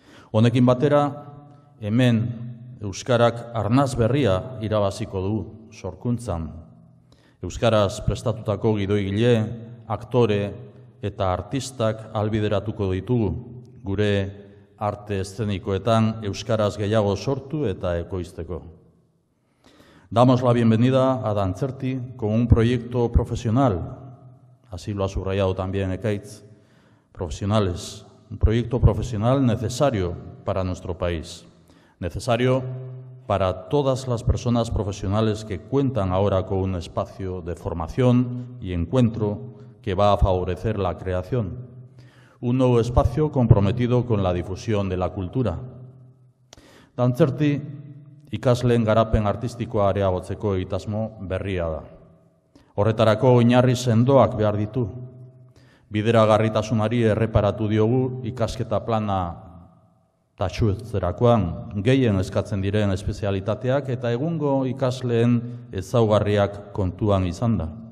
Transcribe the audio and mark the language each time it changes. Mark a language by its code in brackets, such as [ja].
[eu] Honekin batera, hemen Euskarak arnaz berria irabaziko du sorkuntzan. Euskaraz prestatutako gidoigile, aktore eta artistak albideratuko ditugu. Gure arte eszenikoetan Euskaraz gehiago sortu eta ekoizteko. [es] Damos la bienvenida a Dantzerti con un proyecto profesional. Así lo ha subrayado también Ekaitz. Profesionales. Un proyecto profesional necesario para nuestro país. Necesario para todas las personas profesionales que cuentan ahora con un espacio de formación y encuentro que va a favorecer la creación. Un nuevo espacio comprometido con la difusión de la cultura. [eu] Dantzerti, ikasleen garapen artistikoa areagotzeko egitasmo berria da. Horretarako oinarri sendoak behar ditu. Bideragarritasunari erreparatu diogu ikasketa plana taxuetzerakoan gehien eskatzen diren espezialitateak eta egungo ikasleen ezaugarriak kontuan izan da.